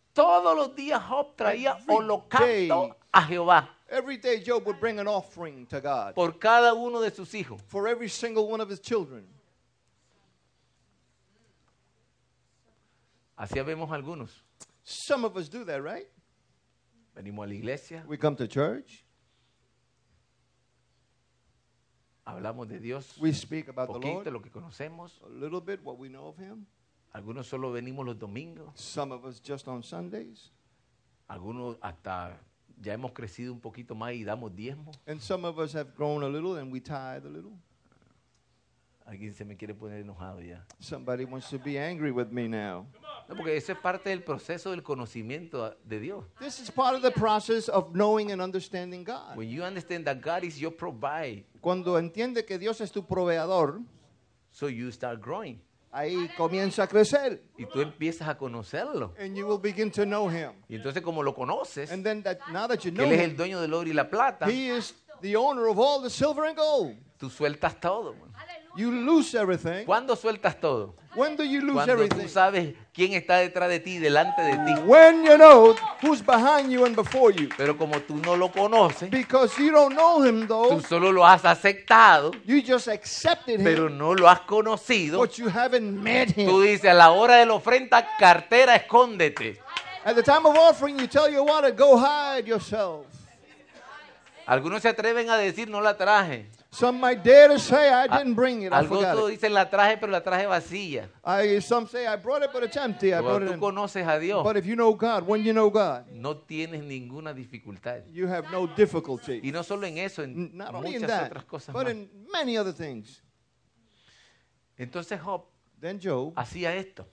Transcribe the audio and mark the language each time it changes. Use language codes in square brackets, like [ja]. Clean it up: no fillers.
[es] Todos los días Job traía holocausto a Jehová. [en] Every day Job would bring an offering to God. [es] Por cada uno de sus hijos. [en] For every single one of his children. [es] Así vemos algunos. [en] Some of us do that, right? [es] Venimos a la iglesia. [en] We come to church. [es] Hablamos de Dios. [en] We speak about [es] poquito, [en] the Lord. [es] Poquito lo que conocemos. [en] A little bit what we know of him. [es] Algunos solo venimos los domingos. [en] Some of us just on Sundays. [es] Algunos hasta ya hemos crecido un poquito más y damos diezmo. [en] And some of us have grown a little and we tithe a little. [es] Alguien se me quiere poner enojado ya. [en] Somebody wants to be angry with me now. [es] No, porque eso es parte del proceso del conocimiento de Dios. [en] This is part of the process of knowing and understanding God. When you understand that God is your provider. [es] Cuando entiende que Dios es tu proveedor. [en] So you start growing. [es] Ahí comienza a crecer. Y tú empiezas a conocerlo. [en] And you will begin to know him. [es] Y entonces como lo conoces. [en] And then that, now that you know him. [es] Él es el dueño del oro y la plata. [en] He is the owner of all the silver and gold. [es] Tú sueltas todo. [en] You lose everything. [es] ¿Cuándo sueltas todo? [en] When do you lose [es] Cuando [en] everything? [es] Cuando tú sabes quién está detrás de ti, delante de ti. [en] When you know who's behind you and before you. [es] Pero como tú no lo conoces. [en] Because you don't know him though. [es] Tú solo lo has aceptado. [en] You just accepted him. [es] Pero no lo has conocido. [en] But you haven't met him. [es] Tú dices a la hora de la ofrenda, cartera, escóndete. [en] At the time of offering, you tell your water, go hide yourself. [es] Algunos se atreven a decir, no la traje. [en] Some might dare to say, I didn't bring it, I forgot it. [es] Algunos dicen, la traje, pero la traje vacía. [en] Some say, I brought it, but it's empty. [es] Pero [en] I brought [es] tú [en] it [es] conoces a Dios. [en] But if you know God, when you know God, [es] no tienes ninguna dificultad. [en] You have no difficulty. [es] Y no solo en eso, en [en] not [es] muchas [en] only in that, [es] otras cosas [en] but [es] más. [en] In many other things. [es] Entonces Job, [en] then Job [es] hacía esto.